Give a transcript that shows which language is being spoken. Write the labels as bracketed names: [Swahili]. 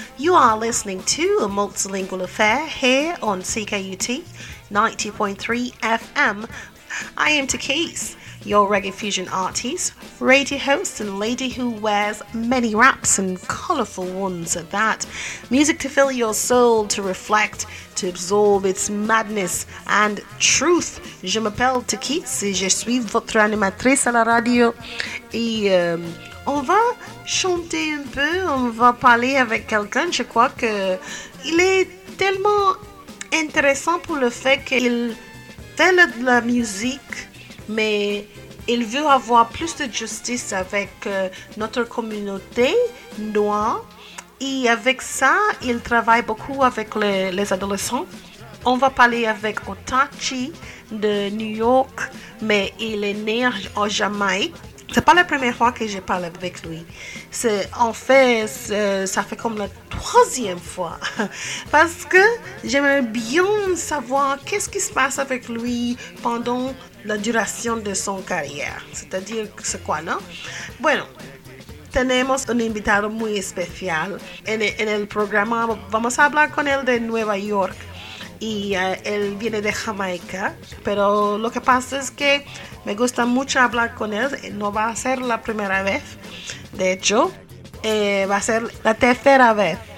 [English] You are listening to A Multilingual Affair here on CKUT 90.3 FM. I am Takeyce, your reggae fusion artist, radio host, and lady who wears many wraps and colourful ones at that. Music to fill your soul, to reflect, to absorb its madness and truth. [French] Je m'appelle Takeyce, je suis votre animatrice à la radio. Et on va chanter un peu, on va parler avec quelqu'un. Je crois que il est tellement intéressant pour le fait qu'il fait de la musique, mais il veut avoir plus de justice avec notre communauté noire. Et avec ça, il travaille beaucoup avec les adolescents. On va parler avec Autarchii de New York, mais il est né en Jamaïque. C'est pas la première fois que je parle avec lui. Ça fait comme la troisième fois. Parce que j'aimerais bien savoir qu'est-ce qui se passe avec lui pendant la duration de son carrière. C'est-à-dire, c'est quoi, non? [Spanish] Bueno, tenemos un invitado muy especial en el programa. Vamos a hablar con él de Nueva York. Y él viene de Jamaica, pero lo que pasa es que me gusta mucho hablar con él. No va a ser la primera vez, de hecho, va a ser la tercera vez.